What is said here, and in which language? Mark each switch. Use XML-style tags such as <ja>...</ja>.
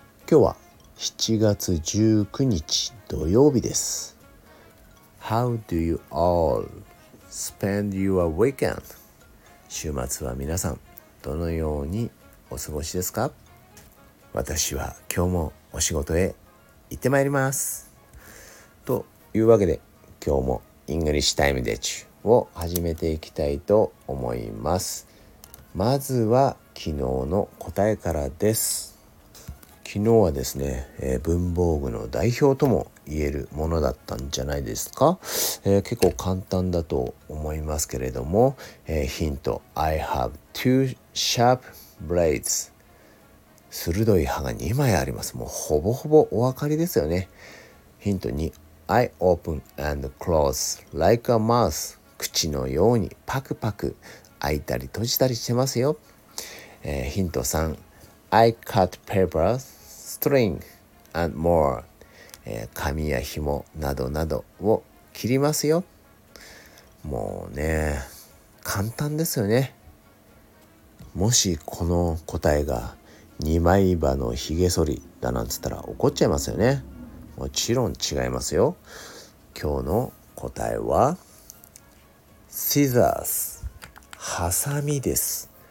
<ja>今日は7月19日土曜日です。</ja> <en>How do you all spend your weekend?</en> <ja>週末は皆さんどのようにお過ごしですか？私は今日もお仕事へ行ってまいります。というわけで今日もイングリッシュタイムデッチを始めていきたいと思います。まずは昨日の答えからです。昨日はですね、文房具の代表とも言えるものだったんじゃないですか。結構簡単だと思いますけれども、ヒント、</ja> <en>I have two sharp blades。</en> <ja>鋭い刃が2枚あります。もうほぼほぼお分かりですよね。</ja> <en>ヒント2、I open and close like a mouse.</en> <ja>口のようにパクパク開いたり閉じたりしてますよ。</ja> <en>ヒント3、I cut paper, string and more.</en> <ja>紙や紐などなどを切りますよ。もうね、簡単ですよね。もしこの答えが2枚刃のひげ剃りだなんつったら怒っちゃいますよね。もちろん違いますよ。今日の答えは Scissors、 ハサミです。</ja>